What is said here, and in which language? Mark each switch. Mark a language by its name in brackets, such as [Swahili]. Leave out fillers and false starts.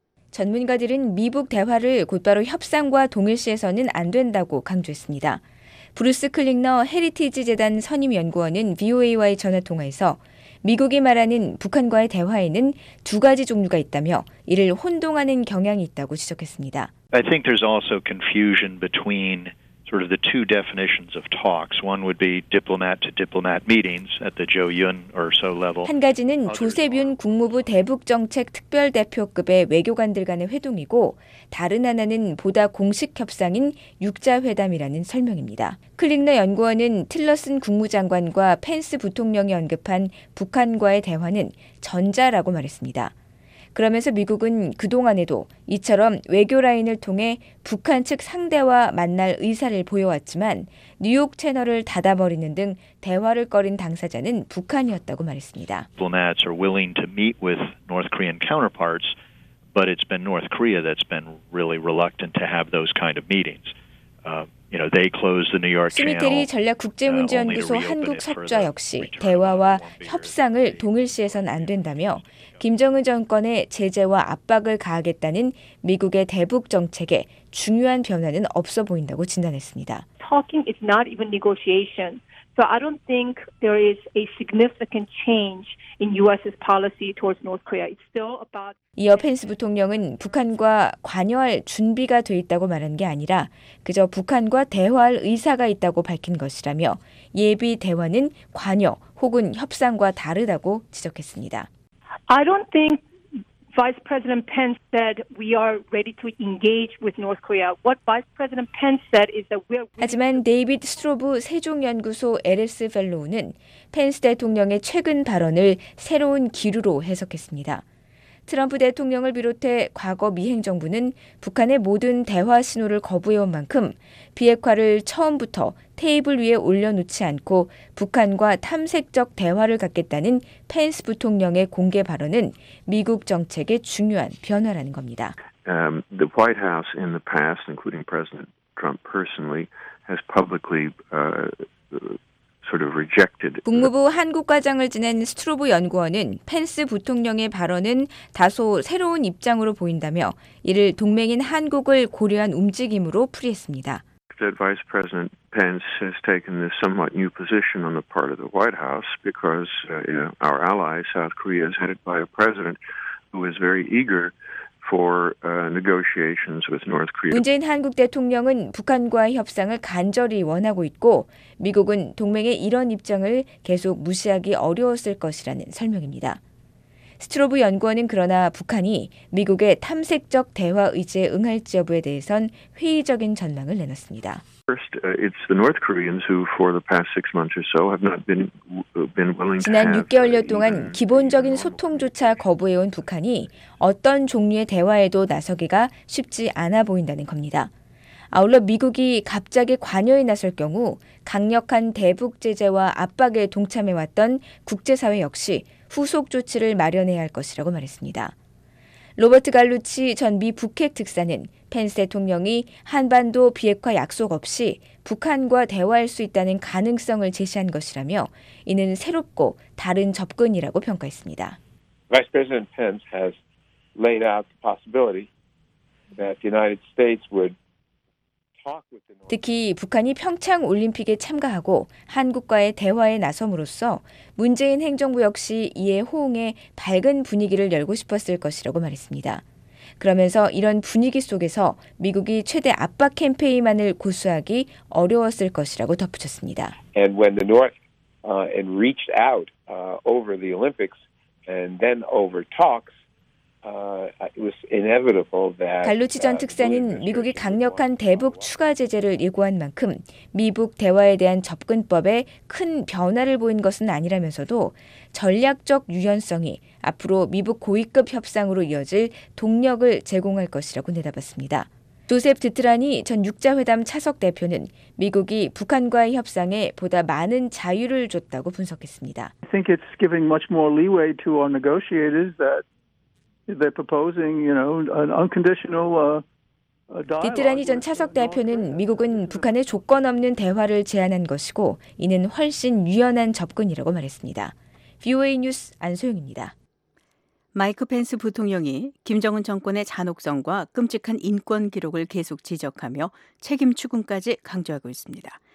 [Korean] 전문가들은 미북 대화를 곧바로 협상과 동일시해서는 안 된다고 강조했습니다. 브루스 클릭너 헤리티지 재단 선임연구원은 VOA와의 전화통화에서 미국이 말하는 북한과의 대화에는 두 가지 종류가 있다며 이를 혼동하는 경향이 있다고 지적했습니다. [English] I think there's also confusion between sort of the two definitions of talks. One would be diplomat to diplomat meetings at the Zhou Yun or so level. [Korean] 한 가지는 조셉 윤 국무부 대북 정책 특별 대표급의 외교관들 간의 회동이고 다른 하나는 보다 공식 협상인 육자 회담이라는 설명입니다. 클릭너 연구원은 틸러슨 국무장관과 펜스 부통령이 언급한 북한과의 대화는 전자라고 말했습니다. 그러면서 미국은 그동안에도 이처럼 외교 라인을 통해 북한 측 상대와 만날 의사를 보여왔지만 뉴욕 채널을 닫아버리는 등 대화를 꺼린 당사자는 북한이었다고 말했습니다. [English] Diplomats are willing to meet with North Korean counterparts, but it's been North Korea that's been really reluctant to have those kind of meetings. They closed the New York Channel. [Korean] 스미테리 전략국제문제연구소 한국 석좌 역시 대화와 협상을 동일시해선 안 된다며 김정은 정권의 제재와 압박을 가하겠다는 미국의 대북 정책에 중요한 변화는 없어 보인다고 진단했습니다. [English] Talking is not even negotiation. So I don't think there is a significant change in US's policy towards North Korea. It's still about [Korean] 이어 펜스 부통령은 북한과 관여할 준비가 돼 있다고 말한 게 아니라 그저 북한과 대화할 의사가 있다고 밝힌 것이라며 예비 대화는 관여 혹은 협상과 다르다고 지적했습니다. [English] I don't think Vice President Pence said we are ready to engage with North Korea. What Vice President Pence said is that we are. [Korean] 하지만 데이비드 스트로브 세종연구소 LS 펠로우는 펜스 대통령의 최근 발언을 새로운 기류로 해석했습니다. 트럼프 대통령을 비롯해 과거 미 행정부는 북한의 모든 대화 신호를 거부해온 만큼 비핵화를 처음부터 테이블 위에 올려놓지 않고 북한과 탐색적 대화를 갖겠다는 펜스 부통령의 공개 발언은 미국 정책의 중요한 변화라는 겁니다. [English] The White House in the past, including President Trump personally, has publicly sort of rejected. [Korean] 국무부 한국과장을 지낸 스트로브 연구원은 펜스 부통령의 발언은 다소 새로운 입장으로 보인다며 이를 동맹인 한국을 고려한 움직임으로 풀이했습니다. [English] Vice President Pence has taken this somewhat new position on the part of the White House because you know, our ally South Korea is headed by a president who is very eager for negotiations with North Korea. [Korean] 문재인 한국 대통령은 북한과의 협상을 간절히 원하고 있고 미국은 동맹의 이런 입장을 계속 무시하기 어려웠을 것이라는 설명입니다. 스트로브 연구원은 그러나 북한이 미국의 탐색적 대화 의지에 응할지 여부에 대해선 회의적인 전망을 내놨습니다. [English] First, it's the North Koreans who for the past 6 months or so have not been willing to [Korean] 지난 6개월여 동안 기본적인 소통조차 거부해 온 북한이 어떤 종류의 대화에도 나서기가 쉽지 않아 보인다는 겁니다. 아울러 미국이 갑자기 관여에 나설 경우 강력한 대북 제재와 압박에 동참해 왔던 국제 사회 역시 후속 조치를 마련해야 할 것이라고 말했습니다. 로버트 갈루치 전 미 북핵 특사는 펜스 대통령이 한반도 비핵화 약속 없이 북한과 대화할 수 있다는 가능성을 제시한 것이라며 이는 새롭고 다른 접근이라고 평가했습니다. [English] Vice President Pence has laid out the possibility that the United States would [Korean] 특히 북한이 평창올림픽에 참가하고 한국과의 대화에 나섬으로써 문재인 행정부 역시 이에 호응해 밝은 분위기를 열고 싶었을 것이라고 말했습니다. 그러면서 이런 분위기 속에서 미국이 최대 압박 캠페인만을 고수하기 어려웠을 것이라고 덧붙였습니다. [English] And when the North and reached out over the Olympics and then over talks, it was inevitable that [Korean] 갈루치 전 특사는 미국이 강력한 대북 추가 제재를 예고한 만큼 미북 대화에 대한 접근법에 큰 변화를 보인 것은 아니라면서도 전략적 유연성이 앞으로 미북 고위급 협상으로 이어질 동력을 제공할 것이라고 내다봤습니다. 조셉 드트라니 전 육자회담 차석 대표는 미국이 북한과의 협상에 보다 많은 자유를 줬다고 분석했습니다. [English] I think it's giving much more leeway to our negotiators that they're proposing, you know, an unconditional dialogue. [Korean] 디트라니 전 차석 대표는 미국은 북한의 조건 없는 대화를 제안한 것이고 이는 훨씬 유연한 접근이라고 말했습니다. VOA 뉴스 안소영입니다. 마이크 펜스 부통령이 김정은 정권의 잔혹성과 끔찍한 인권 기록을 계속 지적하며 책임 추궁까지 강조하고 있습니다.